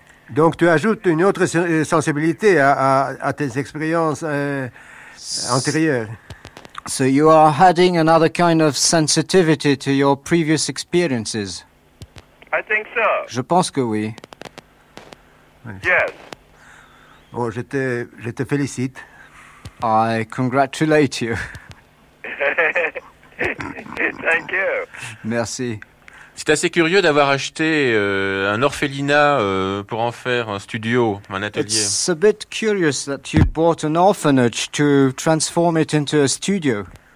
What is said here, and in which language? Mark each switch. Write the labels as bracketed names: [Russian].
[French] Donc tu ajoutes une autre sensibilité à tes expériences antérieures. [English] So you are adding another kind of sensitivity to your previous experiences. I think so. [French] Je pense que oui. [English] Yes. [French] Bon, je te félicite. [English] I congratulate you. Thank you. [French] Merci. C'est assez curieux d'avoir acheté un orphelinat pour en faire un studio, un atelier. [English] It's a bit curious that you bought an orphanage to transform it into a studio.